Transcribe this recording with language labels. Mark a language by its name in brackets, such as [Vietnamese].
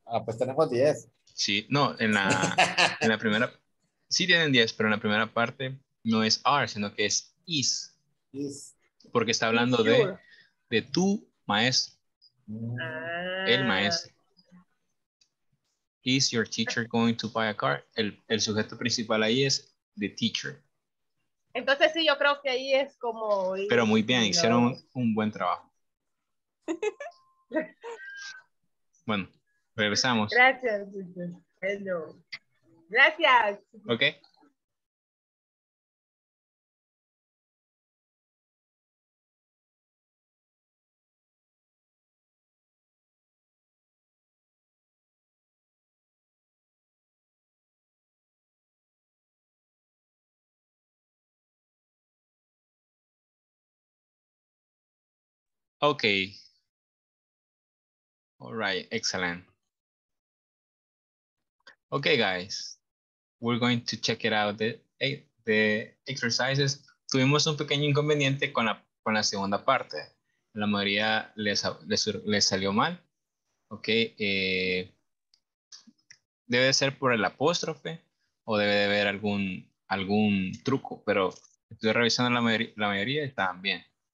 [Spanish] Ah, pues tenemos 10. Sí, no, en la primera, sí tienen 10, pero en la primera parte no es are, sino que es is. [English] Is. [Spanish] Porque está hablando de tu maestro, el maestro. [English] Is your teacher going to buy a car? [Spanish] El sujeto principal ahí es [English] the teacher. [Spanish] Entonces sí, yo creo que ahí es como... Pero muy bien, no. Hicieron un buen trabajo. Bueno, regresamos. Gracias. Hello. Gracias. [English] Ok. Okay. All right, excellent. Okay, guys. We're going to check it out the exercises. [Spanish] Tuvimos un pequeño inconveniente con la segunda parte. La mayoría les salió mal. Okay, debe ser por el apóstrofe o debe de haber algún truco, pero estoy revisando la mayoría y estaban bien.